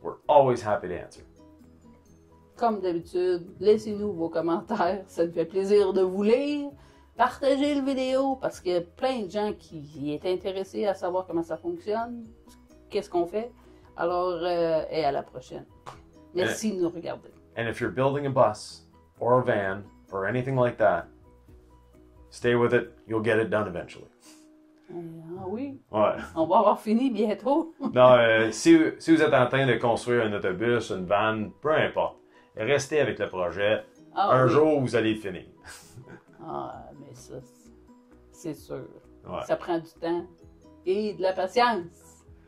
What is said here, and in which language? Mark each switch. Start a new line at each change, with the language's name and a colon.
English: We're always happy to answer.
French: Comme d'habitude, laissez-nous vos commentaires. Ça nous fait plaisir de vous lire. Partagez le vidéo parce qu'il y a plein de gens qui sont intéressés à savoir comment ça fonctionne, qu'est-ce qu'on fait. Alors, et à la prochaine. Merci de nous regarder.
English: And if you're building a bus or a van or anything like that, stay with it. You'll get it done eventually.
French: Ah oui? Ouais. On va avoir fini bientôt. Non, si vous êtes en train de construire un autobus, une van, peu importe, restez avec le projet. Ah, un oui. Jour, vous allez le finir. Ah, mais ça, c'est sûr. Ouais. Ça prend du temps et de la patience.